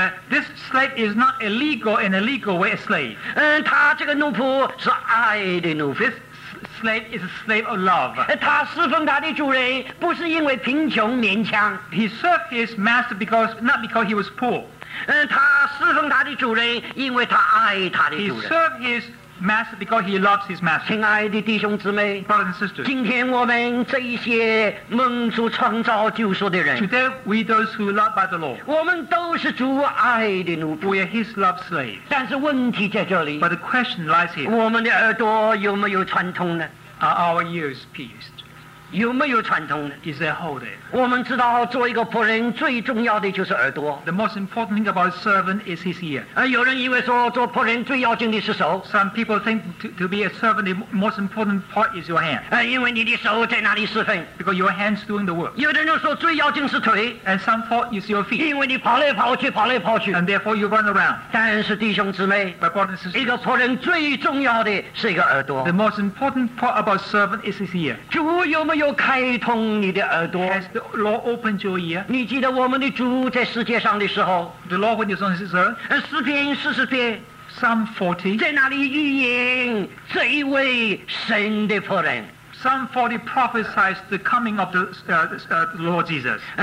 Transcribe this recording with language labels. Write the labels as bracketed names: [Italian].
[English] this slave is not a legal in a legal way a slave. [Chinese] 他这个奴仆是爱的奴仆, [English] this slave is a slave of love. [Chinese] 他侍奉他的主人不是因为贫穷勉强, [English] he served his master because not because he was poor. [Chinese] 他侍奉他的主人因为他爱他的主人, [English] he served his master because he loves his master. [Chinese] 亲爱的弟兄姊妹, [English] brothers and sisters, [Chinese] 今天我们这一些蒙主创造救赎的人, [English] today we those who love by the Lord, [Chinese] 我们都是主爱的奴仆, [English] we are his love slaves. [Chinese] 但是问题在这里, [English] but the question lies here, [Chinese] 我们的耳朵有没有串通呢? [English] Are our ears pierced? [Chinese] 有没有串通呢? [English] Is there a hole there? [Chinese] 我们知道做一个仆人最重要的就是耳朵, [English] the most important thing about a servant is his ear. [Chinese] 有人以为说做仆人最要紧的是手, [English] some people think to be a servant the most important part is your hand, [Chinese] 因为你的手在哪里侍奉, [English] because your hand's doing the work. [Chinese] 有的人说最要紧是腿, [English] and some thought is your feet, [Chinese] 因为你跑来跑去, [English] and therefore you run around. [Chinese] 但是弟兄姊妹, [English] but brothers and sisters, [Chinese] 一个仆人最重要的是一个耳朵, [English] the most important part about a servant is his ear. [Chinese] 有没有开通你的耳朵? [English] Has the Lord opened your ear? [Chinese] 你记得我们的主在世界上的时候, [English] the Lord when he's on his earth, [Chinese] 诗篇40篇, [English] Psalm 40, [Chinese] 在哪里预言这一位神的仆人? [English] Psalm 40 prophesies the coming of the Lord Jesus.